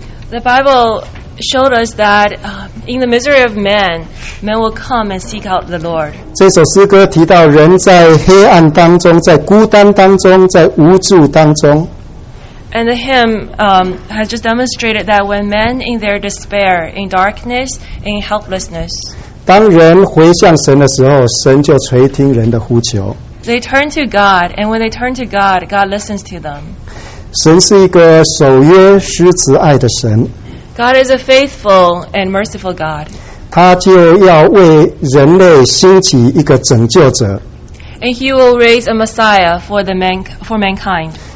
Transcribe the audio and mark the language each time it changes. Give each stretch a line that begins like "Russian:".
English: The Bible showed us that in the misery of man, men will come and seek out the Lord.
Chinese: 这首诗歌提到，人在黑暗当中，在孤单当中，在无助当中。
English: And the hymn has just demonstrated that when men in their despair, in darkness, in helplessness,
Chinese: 当人回向神的时候，神就垂听人的呼求。
English: They turn to God, and when they turn to God, God listens to them.
Chinese: 神是一个守约施慈爱的神。
English: God is a faithful and merciful God.
Chinese: 他就要为人类兴起一个拯救者。
English: And He will raise a Messiah for the man, for mankind.